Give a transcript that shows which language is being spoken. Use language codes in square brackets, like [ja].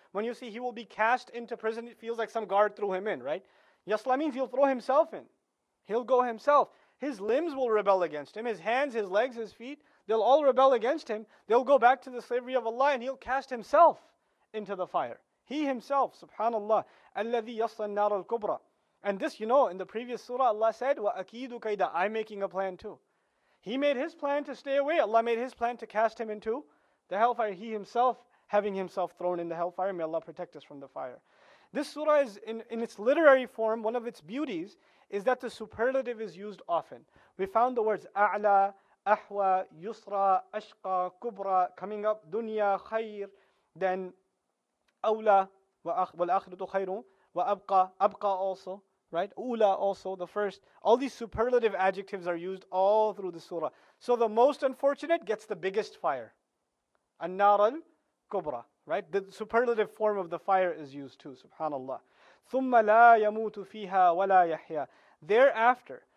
[en] When you see he will be cast into prison, it feels like some guard threw him in, right? Yasla means he'll throw himself in. He'll go himself. His limbs will rebel against him. His hands, his legs, his feet, they'll all rebel against him. They'll go back to the slavery of Allah and he'll cast himself into the fire. He himself, subhanAllah, [ar] الَّذِي يَصْلَى النَّارَ الْكُبْرَى. [en] And this, you know, in the previous surah, Allah said, [ar] وَأَكِيدُ كَيْدًا. [en] I'm making a plan too. He made his plan to stay away. Allah made his plan to cast him into the hellfire. He himself, having himself thrown in the hellfire. May Allah protect us from the fire. This surah is, in its literary form, one of its beauties is that the superlative is used often. [ar] We found the words أَعْلَى, أَحْوَى, يُسْرَى, أَشْقَى, كُبْرَى, coming up, دُنْيَا, خَيْر, then أَوْلَى, وَالْأَخْرَةُ خَيْرٌ, وَأَبْقَى, أَبْقَى also. [en] Right? Ula also, the first. All these superlative adjectives are used all through the surah. So the most unfortunate gets the biggest fire. [ar] An-nar al-kubra. [en] Right? The superlative form of the fire is used too. Subhanallah. [ar] Thumma la yamutu fiha wa la yahya. [en] Thereafter.